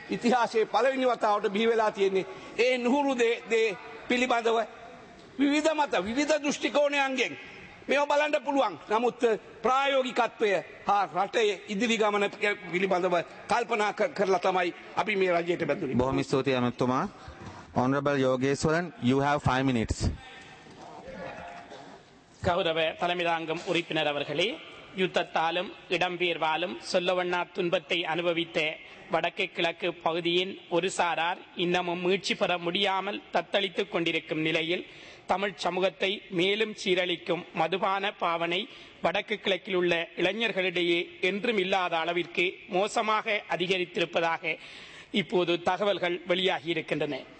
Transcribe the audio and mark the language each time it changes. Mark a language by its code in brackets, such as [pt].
[si] ඉතිහාසයේ පළවෙනි වතාවට බිහි වෙලා තියෙන්නේ ඒ නුහුරු දේ පිළිබඳව විවිධ මත විවිධ දෘෂ්ටි කෝණයන්ගෙන් මේව බලන්න පුළුවන්. නමුත් ප්‍රායෝගිකත්වය හා රටේ ඉදිරි ගමන පිළිබඳව කල්පනා කරලා තමයි අපි මේ රජයට බැඳුනේ. බොහොම ස්තුතියි අමතුමා. [en] Honourable Yogeswaran, you have 5 minutes. [ta] கௌரவே தலைமைதாங்கம் உறுப்பினர் அவர்களே, யுத்தத்தாலும் இடம்பெயர்வாலும் சொல்லவண்ணா துன்பத்தை அனுபவித்த வடக்கு கிழக்கு பகுதியின் ஒரு சாரார் இன்னமும் மீட்சி பெற முடியாமல் தத்தளித்துக் கொண்டிருக்கும் நிலையில் தமிழ் சமூகத்தை மேலும் சீரழிக்கும் மதுபான பாவனை வடக்கு கிழக்கில் உள்ள இளைஞர்களிடையே என்றும் இல்லாத அளவிற்கு மோசமாக அதிகரித்திருப்பதாக இப்போது தகவல்கள் வெளியாகியிருக்கின்றன.